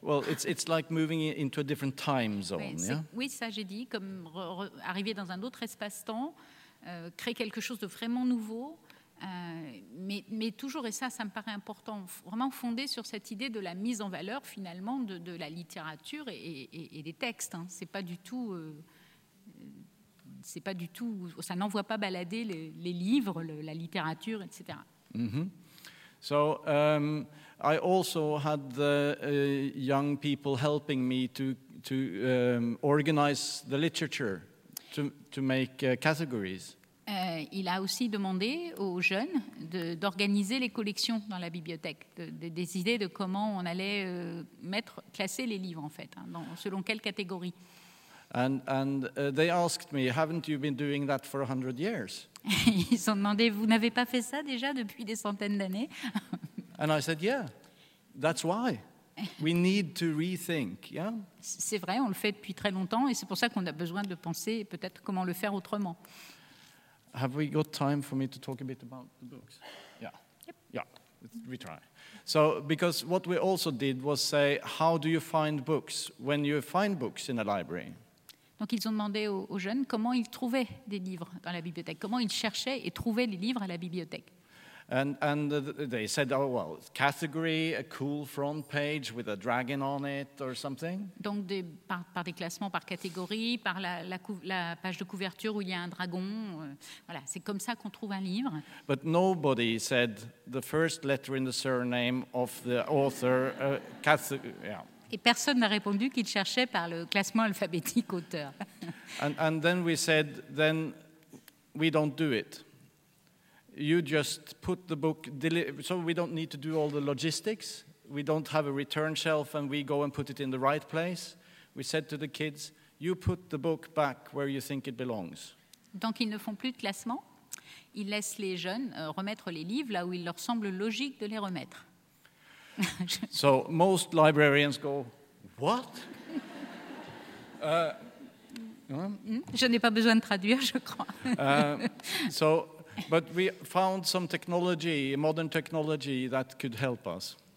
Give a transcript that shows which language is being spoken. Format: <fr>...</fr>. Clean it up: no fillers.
<en>Well, it's like moving into a different time zone. Yeah?</en> <fr>Oui, ça j'ai dit, comme arriver dans un autre espace-temps, créer quelque chose de vraiment nouveau. Mais toujours, et ça me paraît important, vraiment fondé sur cette idée de la mise en valeur finalement de la littérature et des textes. Hein. C'est pas du tout, ça n'envoie pas balader les livres, la littérature, etc. Mm-hmm.</fr> <en>So I also had the young people helping me to organize the literature to make categories.</en> <fr>Il a aussi demandé aux jeunes d'organiser les collections dans la bibliothèque, des idées de comment on allait classer les livres en fait, hein, selon quelle catégorie.</fr> <en>And they asked me, haven't you been doing that for 100 years?</en> <fr>Ils ont demandé, vous n'avez pas fait ça déjà depuis des centaines d'années?</fr> <en>And I said, yeah, that's why. We need to rethink, yeah?</en> <fr>C'est vrai, on le fait depuis très longtemps et c'est pour ça qu'on a besoin de penser peut-être comment le faire autrement.</fr> <en>Have we got time for me to talk a bit about the books? Yeah. Yep. Yeah, we try. So, because what we also did was say, how do you find books when you find books in a library?</en> <fr>Donc ils ont demandé aux jeunes comment ils trouvaient des livres dans la bibliothèque, comment ils cherchaient et trouvaient les livres à la bibliothèque.</fr> <en>And they said, oh well, category, a cool front page with a dragon on it or something.</en> <fr>Donc par des classements par catégorie, par la page de couverture où il y a un dragon, voilà, c'est comme ça qu'on trouve un livre.</fr> <en>But nobody said the first letter in the surname of the author, yeah.</en> <fr>Et personne n'a répondu qu'il cherchait par le classement alphabétique auteur.</fr> <en>And then we said, then we don't do it. You just put the book, so we don't need to do all the logistics. We don't have a return shelf and we go and put it in the right place. We said to the kids, you put the book back where you think it belongs.</en> <fr>Donc ils ne font plus de classement. Ils laissent les jeunes remettre les livres là où il leur semble logique de les remettre.</fr> <en>So most librarians go, what?</en> <fr>Je n'ai pas besoin de traduire, je crois.</fr> <en>But we found some technology, modern technology, that could help us.</en>